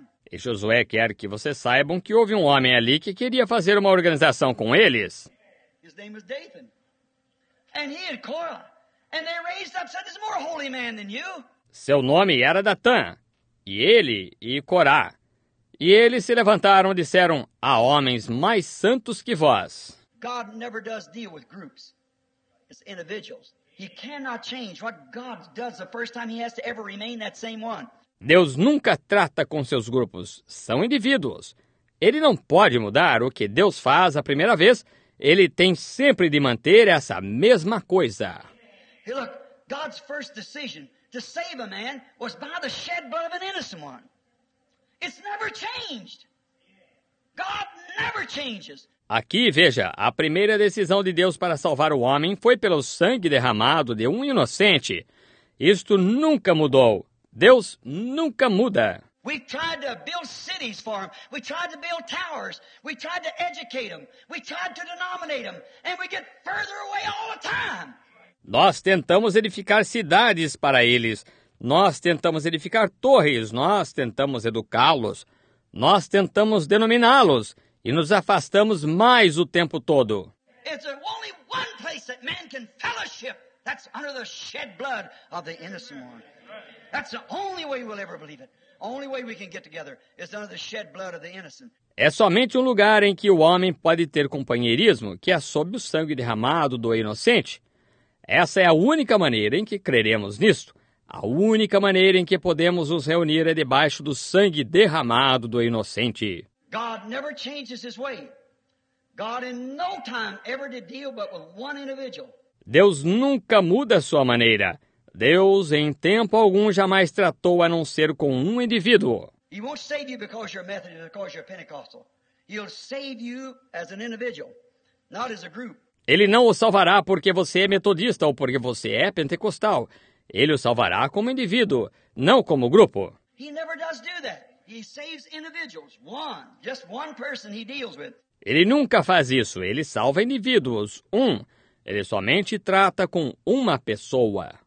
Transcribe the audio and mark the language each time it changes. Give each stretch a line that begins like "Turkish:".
Portuguese: E Josué quer que vocês saibam que houve um homem ali que queria fazer uma organização com eles.
English: His name was Dathan. And he and Korah. And they raised up, said, "There's a more holy man than you."
Portuguese: Seu nome era Datan. E ele e Corá. E eles se levantaram e disseram: "Há homens mais santos que vós."
English: God never does deal with groups. It's individuals. He cannot change. What God does the first time, he has to ever remain that same one.
Portuguese: Deus nunca trata com seus grupos, são indivíduos. Ele não pode mudar o que Deus faz a primeira vez, ele tem sempre de manter essa mesma coisa.
English: Hey, look, God's first decision to save a man was by the shed blood of an innocent one. It's never changed. God never changes.
Portuguese: Aqui, veja, a primeira decisão de Deus para salvar o homem foi pelo sangue derramado de um inocente. Isto nunca mudou. Deus nunca muda.
English: We tried to build cities for him. We tried to build towers. We tried to educate him. We tried to denominate him. And we get further away all the time.
Portuguese: Nós tentamos edificar cidades para eles. Nós tentamos edificar torres. Nós tentamos educá-los. Nós tentamos denominá-los. E nos afastamos mais o tempo todo.
English: It's only one place that man can fellowship. That's under the shed blood of the innocent one. That's the only way we'll ever believe it. Only way we can get together is under the shed blood of the innocent.
Portuguese: É somente um lugar em que o homem pode ter companheirismo, que é sob o sangue derramado do inocente. Essa é a única maneira em que creremos nisto. A única maneira em que podemos nos reunir é debaixo do sangue derramado do inocente.
English: God never changes his way. God in no time ever did deal but with one individual.
Portuguese: Deus nunca muda sua maneira. Deus em tempo algum jamais tratou a não ser com um indivíduo.
English: He won't save you because you're Methodist, because you're Pentecostal. He'll save you as an individual, not as a group.
Portuguese: Ele não o salvará porque você é metodista ou porque você é pentecostal. Ele o salvará como indivíduo, não como grupo.
English: He never does do that. He saves individuals, one, just one person he deals with.
Portuguese: Ele nunca faz isso, ele salva indivíduos, um. Ele somente trata com uma pessoa.